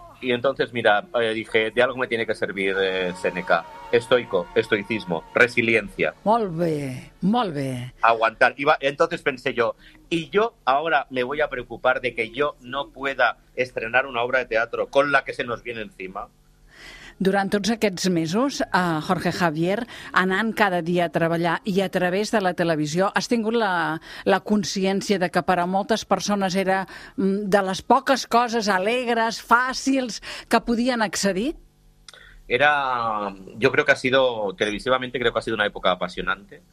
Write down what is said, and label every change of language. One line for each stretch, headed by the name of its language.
Spanish: Y entonces, mira, dije, de algo me tiene que servir Sèneca. Estoico, estoicismo, resiliencia.
Catalan: Molt bé, molt bé.
Spanish: Aguantar. Entonces pensé yo, y yo ahora me voy a preocupar de que yo no pueda estrenar una obra de teatro con la que se nos viene encima.
Catalan: Durant tots aquests mesos, Jorge Javier, anant cada dia a treballar i a través de la televisió, has tingut la consciència de que per a moltes persones era de les poques coses alegres, fàcils, que podien accedir?
Spanish: era, yo creo que ha sido, televisivamente creo que ha sido una época apasionante.